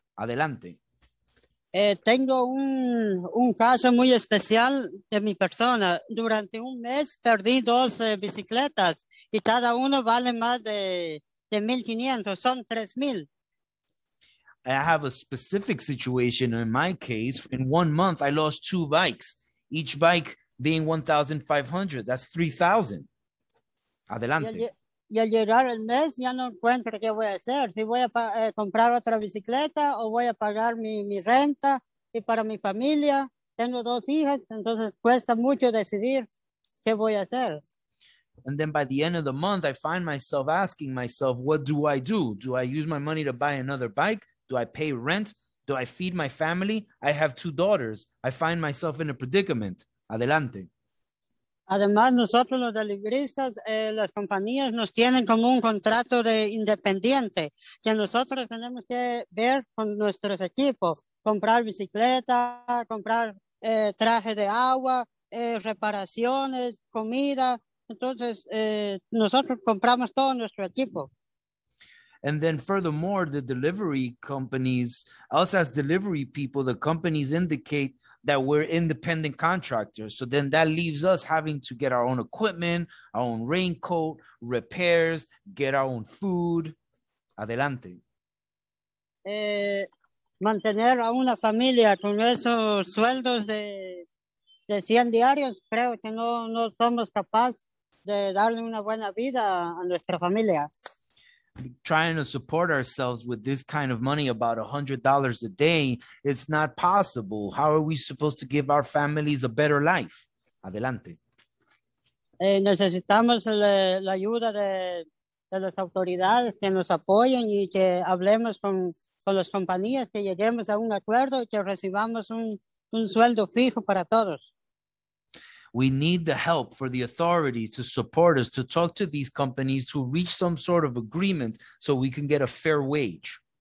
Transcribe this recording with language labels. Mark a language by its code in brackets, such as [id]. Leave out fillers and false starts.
[es] Adelante. Tengo un caso muy especial de mi persona. Durante un mes perdí 12 bicicletas y cada uno vale más de 1,500, son 3,000. [en] I have a specific situation in my case. In 1 month, I lost 2 bikes, each bike being 1,500. That's 3,000. [es] Adelante. Y al llegar el mes ya no encuentro qué voy a hacer, si voy a comprar otra bicicleta o voy a pagar mi renta y para mi familia. Tengo 2 hijas, entonces cuesta mucho decidir qué voy a hacer. [en] And then by the end of the month, I find myself asking myself, what do I do? Do I use my money to buy another bike? Do I pay rent? Do I feed my family? I have 2 daughters. I find myself in a predicament. [es] Adelante. Además, nosotros los deliveristas, las compañías nos tienen como un contrato de independiente, que nosotros tenemos que ver con nuestros equipos, comprar bicicleta, comprar traje de agua, reparaciones, comida. Entonces, nosotros compramos todo nuestro equipo. [en] And then furthermore, the delivery companies, us as delivery people, the companies indicate that we're independent contractors. So then that leaves us having to get our own equipment, our own raincoat, repairs, get our own food. [es] Adelante. Mantener a una familia con esos sueldos de 100 diarios, creo que no somos capaz de darle una buena vida a nuestra familia. [en] Trying to support ourselves with this kind of money, about $100 a day, it's not possible. How are we supposed to give our families a better life? [es] Adelante. Necesitamos la ayuda de las autoridades que nos apoyen y que hablemos con las compañías, que lleguemos a un acuerdo y que recibamos un sueldo fijo para todos. [en] We need the help for the authorities to support us, to talk to these companies, to reach some sort of agreement so we can get a fair wage.